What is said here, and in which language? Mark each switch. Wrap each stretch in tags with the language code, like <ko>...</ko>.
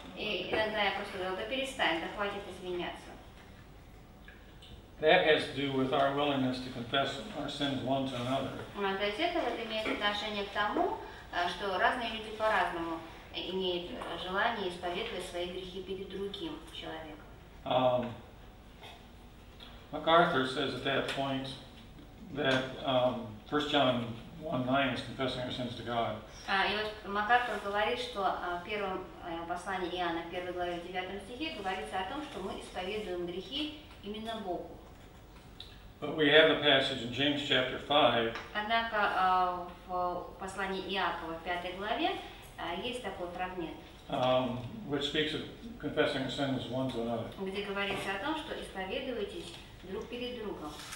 <ru>И иногда я просто говорю, да перестань, да хватит извиняться.</ru> <en>That has to do with our willingness to confess our sins one to another.</en> <ru>То есть это вот имеет отношение к тому, что разные люди по-разному имеют желание исповедовать свои грехи перед другим человеком.</ru> <en>MacArthur says at that point that 1 John 1:9 is confessing our sins to God.</en> <ru>И вот MacArthur говорит, что в первом послании Иоанна, в первой главе, в 9 стихе, говорится о том, что мы исповедуем грехи именно Богу.</ru> <en>But we have a passage in James chapter 5.</en> <ru>Однако в послании Иакова, в 5 главе, есть такой фрагмент,</ru> <en>which speaks of confessing our sins one to another.</en> <ru>Где говорится о том, что исповедуйтесь друг перед другом.</ru>